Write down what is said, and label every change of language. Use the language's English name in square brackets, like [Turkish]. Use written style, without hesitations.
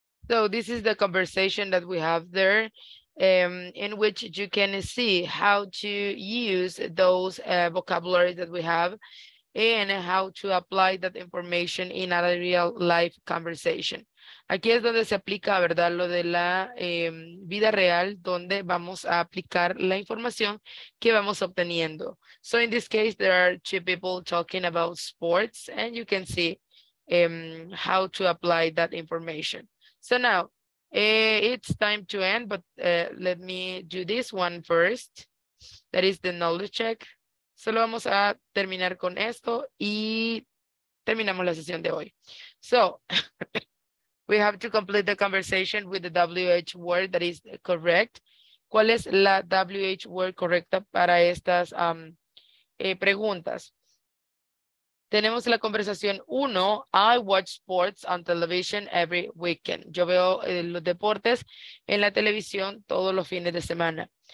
[English] So this is the conversation that we have there, in which you can see how to use those vocabulary that we have and how to apply that information in a real life conversation. [Spanish] Aquí es donde se aplica, ¿verdad? Lo de la vida real, donde vamos a aplicar la información que vamos obteniendo. [English] So in this case, there are two people talking about sports, and you can see how to apply that information. So now, it's time to end, but let me do this one first. That is the knowledge check. [Spanish] Solo vamos a terminar con esto y terminamos la sesión de hoy. [English] So, we have to complete the conversation with the WH word that is correct. [Spanish] ¿Cuál es la WH word correcta para estas preguntas? Tenemos la conversación 1. [English] I watch sports on television every weekend. [Spanish] Yo veo los deportes en la televisión todos los fines de semana.